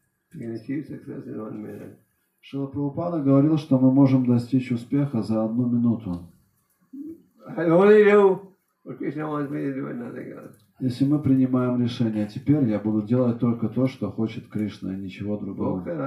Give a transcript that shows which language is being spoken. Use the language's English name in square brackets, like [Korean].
[English] Prabhupada said, you can achieve success in one minute. [Russian] Шрила Прабхупада говорил, что мы можем достичь успеха за одну минуту. [English] I only do what Krishna wants me to do and nothing else. [Russian] Если мы принимаем решение, теперь я буду делать только то, что хочет Кришна, и ничего другого.